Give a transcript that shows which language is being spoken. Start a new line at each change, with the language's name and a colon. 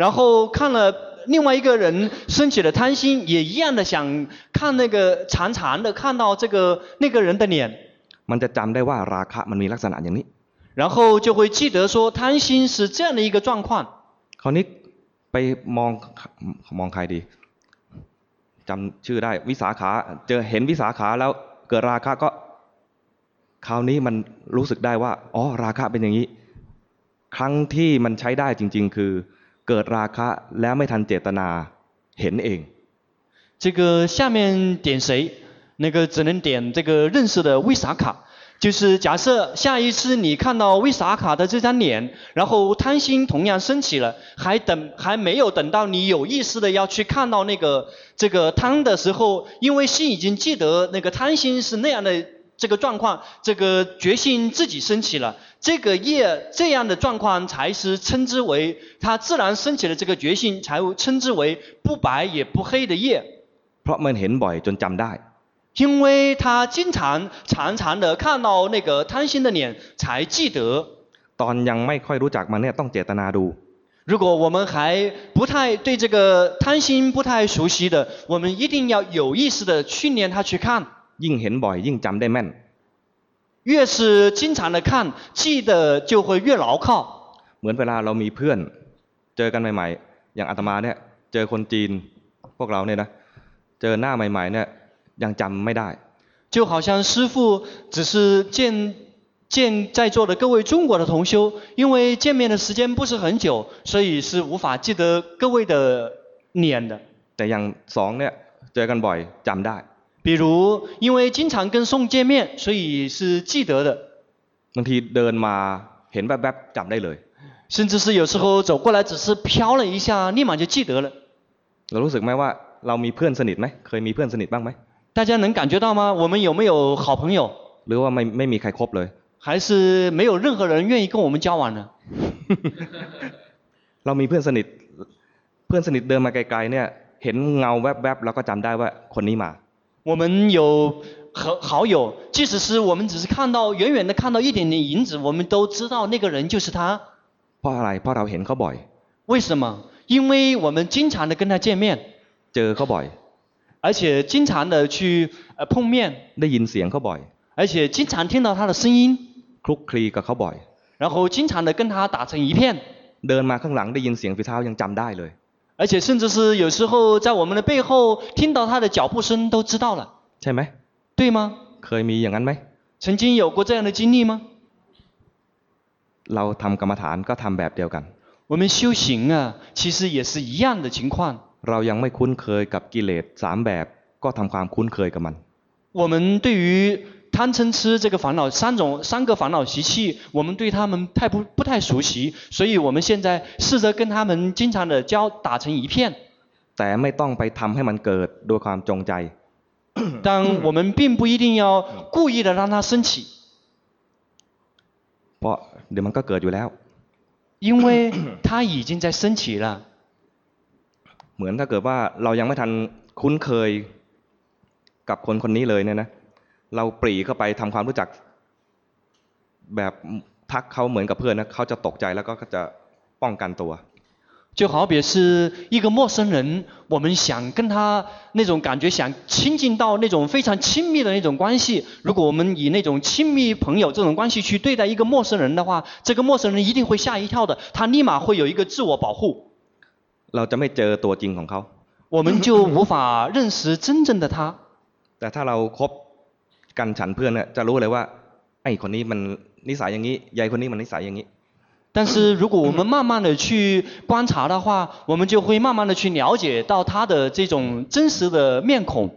Chinese: 然后看了另外一个人生起了贪心，也一样的想看那个长长的看到这个那个人的脸。
Thai: มันจะจำได้ว่าราคะมันมีลักษณะอย่างนี้。
Chinese: 然后就会记得说贪心是这样的一个状况。
Thai: คราวนี้ไปมองใครดีจำชื่อได้วิสาขาเจอเห็นวิสาขาแล้วเกิดราคะก็คราวนี้มันรู้สึกได้ว่าอ๋อราคะเป็นอย่างนี้ครั้งที่มันใช้ได้จริงๆคือเกิดราคะแล้วไม่ทันเจตนาเห็นเอง
Chinese: 这个下面点谁那个只能点这个认识的维萨卡就是假设下一次你看到维萨卡的这张脸然后贪心同样升起了还没有等到你有意识的要去看到那个这个贪的时候因为心已经记得那个贪心是那样的这个状况这个决心自己升起了这个业这样的状况才是称之为他自然升起的这个决心才称之为不白也不黑的业
Thai: เพราะมันเห็นบ่อยจนจำได้
Chinese: 因为他经常常常的看到那个贪心的脸才记得
Thai: ตอนยังไม่ค่อยรู้จักมันเนี่ยต้องเจตนาดู
Chinese: 如果我们还不太对这个贪心不太熟悉的我们一定要有意识的训练他去看
Thai: ยิ่งเห็นบ่อยยิ่งจำได้แม่น
Chinese: 越是经常的看记得就会越牢靠
Thai: เหมือนเวลาเรามีเพื่อนเจอกันใหม่ๆอย่างอาตมาเนี่ยเจอคนจีนพวกเราเนี่ยนะเจอหน้าใหม่ๆเนี่ยยังจำไม่ได้
Chinese: 就好像师父只是见在座的各位中国的同修因为见面的时间不是很久所以是无法记得各位的脸的
Thai: แต่อย่างสองเนี่ยเจอกันบ่อยจำได้
Chinese: 比如因为经常跟宋见面所以是记得的
Thai: บางทีเดินมาเห็นแวบๆจำได้เลย
Chinese: 甚至是有时候走过来只是飘了一下立马就记得了
Thai: เรารู้สึกไหมว่าเรามีเพื่อนสนิทไหมเคยมีเพื่อนสนิทบ้างไหม
Chinese: 大家能感觉到吗我们有没有好朋友
Thai: หรือว่าไม่มีใครคบเลย
Chinese: 还是没有任何人愿意跟我们交往呢
Thai: เรามีเพื่อนสนิทเพื่อนสนิทเดินมาไกลๆเนี่ยเห็นเงาแวบๆแล้วก็จำได้ว่าคนนี้มา
Chinese: 我们有好友即使是我们只是看到远远的看到一点点影子我们都知道那个人就是他
Thai: เพราะอะไรเพราะเราเห็นเขาบ่อย
Chinese: 为什么因为我们经常的跟他见面
Thai: เจอเขาบ่อย
Chinese: 而且经常的去碰面
Thai: ได้ยินเสียงเขาบ่อย
Chinese: 而且经常听到他的声音
Thai: คลุกคลีกับเขาบ่อย
Chinese: 然后经常的跟他打成一片
Thai: เดินมาข้างหลังได้ยินเสียงฝีเท้ายังจำได้เลย
Chinese: 而且甚至是有时候在我们的背后听到他的脚步声都知道了
Thai: ใช่ไหม
Chinese: 对吗
Thai: เคยมีอย่างนั้นไหม
Chinese: 曾经有过这样的经历吗
Thai: เราทำกรรมฐานก็ทำแบบเดียวกัน
Chinese: 我们修行啊其实也是一样的情况
Thai: เรายังไม่คุ้นเคยกับกิเลส3แบบก็ทำความคุ้นเคยกับมัน
Chinese: 我们对于贪嗔痴这个烦恼三个烦恼习气我们对他们不太熟悉所以我们现在试着跟他们经常的交打成一片
Thai: แต่ไม่ต้องไปทำให้มันเกิดด้วยความจงใจ
Chinese: 但我们并不一定要故意的让它升起
Thai: เพราะเดี๋ยวมันก็เกิดอยู่แล้ว
Chinese: 因为它已经在升起了
Thai: เหมือนถ้าเกิดว่าเรายังไม่ทันคุ้นเคยกับคนคนนี้เลยเนี่ยนะเราปรีเข้าไปทำความรู้จักแบบทักเขาเหมือนกับเพื่อนนะเขาจะตกใจแล้วก็จะป้องกันตัว
Chinese: 就好比是一个陌生人我们想跟他那种感觉想亲近到那种非常亲密的那种关系如果我们以那种亲密朋友这种关系去对待一个陌生人的话这个陌生人一定会吓一跳的他立马会有一个自我保护
Thai: เราจะไม่เจอตัวจริงของเขา
Chinese: 我们就无法认识真正的他
Thai: แต่ถ้าเราครบกันฉันเพื่อนเนี่ยจะรู้เลยว่าไอ้คนนี้มันนิสัยอย่างนี้ยายคนนี้มันนิสัยอย่างนี้
Chinese: 但是如果我们慢慢的去观察的话我们就会慢慢的去了解到他的这种真实的面孔